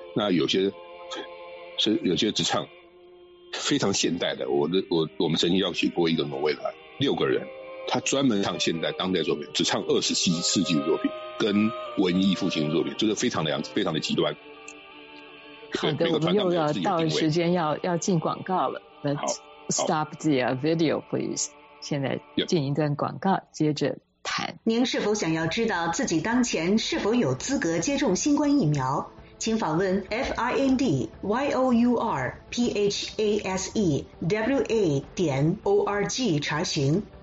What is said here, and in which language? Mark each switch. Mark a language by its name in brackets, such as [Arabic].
[Chinese] 那有些只唱非常现代的。我们曾经邀请过一个挪威团，6个人，他专门唱现代当代作品，只唱20世纪的作品。跟文艺复兴作品，就是非常的样子，非常的极端。好的，我们又要到时间要进广告了。 [English] Let's stop the video, please. [Chinese] 现在进一段广告，接着谈。您是否想要知道自己当前是否有资格接种新冠疫苗？请访问 findourphasewa.org 查询。